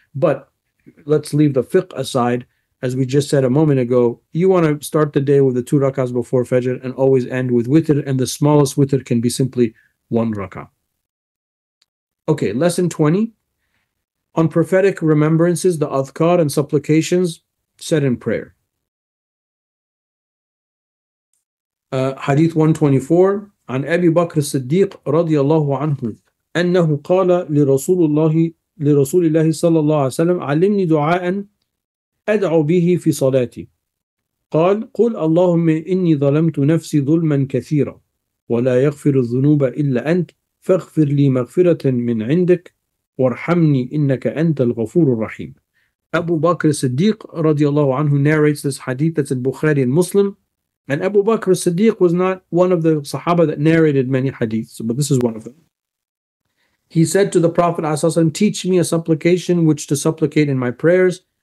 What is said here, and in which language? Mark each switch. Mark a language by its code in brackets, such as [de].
[en] But let's leave the fiqh aside. As we just said a moment ago, you want to start the day with the two rakahs before fajr and always end with witr, and the smallest witr can be simply one rakah. Okay, lesson 20. On prophetic remembrances, the adhkar and supplications said in prayer. [ar] Hadith 124. عن أبي بكر الصديق رضي الله عنه أنه قال لرسول الله لرسول الله صلى الله عليه وسلم علمني دعاء أدعو به في صلاتي قال قل اللهم إني ظلمت نفسي ظلما كثيرا ولا يغفر الذنوب إلا أنت فاغفر لي مغفرة من عندك وارحمني إنك أنت الغفور الرحيم. [en] أبو بكر الصديق [ar] رضي الله عنه [en] narrates this hadith that's in Bukhari and Muslim. And Abu Bakr as-Siddiq was not one of the Sahaba that narrated many hadiths, but this is one of them. He said to the Prophet ﷺ, teach me a supplication which to supplicate in my prayers.